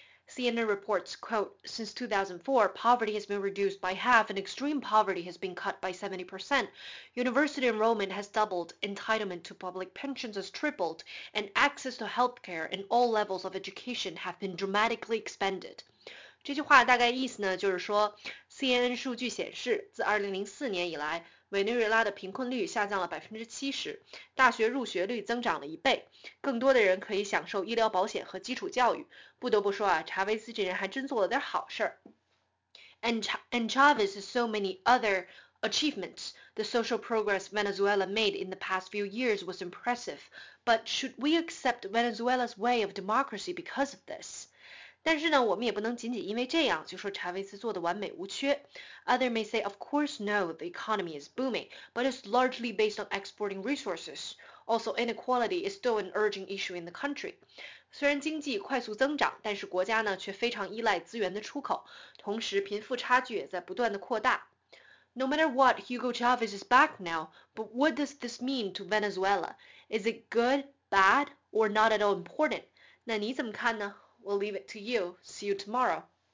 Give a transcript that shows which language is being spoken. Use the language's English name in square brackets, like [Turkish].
[English] CNN reports, quote, since 2004, poverty has been reduced by half and extreme poverty has been cut by 70%. University enrollment has doubled, entitlement to public pensions has tripled, and access to healthcare and all levels of education have been dramatically expanded. [Chinese] 这句话大概意思呢，就是说 ,CNN 数据显示，自2004年以来，委内瑞拉的贫困率下降了 70%, 大学入学率增长了一倍，更多的人可以享受医疗保险和基础教育。不得不说啊，查韦斯这人还真做了点好事儿。 [English] And Chavez has so many other achievements. The social progress Venezuela made in the past few years was impressive, but should we accept Venezuela's way of democracy because of this? [Chinese] 但是呢，我们也不能仅仅因为这样就说查韦斯做的完美无缺。 [English] Other may say, of course, no, the economy is booming, but it's largely based on exporting resources. Also, inequality is still an urgent issue in the country. [Chinese] 虽然经济快速增长，但是国家呢却非常依赖资源的出口，同时贫富差距也在不断的扩大。 [English] No matter what, Hugo Chavez is back now, but what does this mean to Venezuela? Is it good, bad, or not at all important? [Chinese] 那你怎么看呢？ [English] We'll leave it to you. See you tomorrow.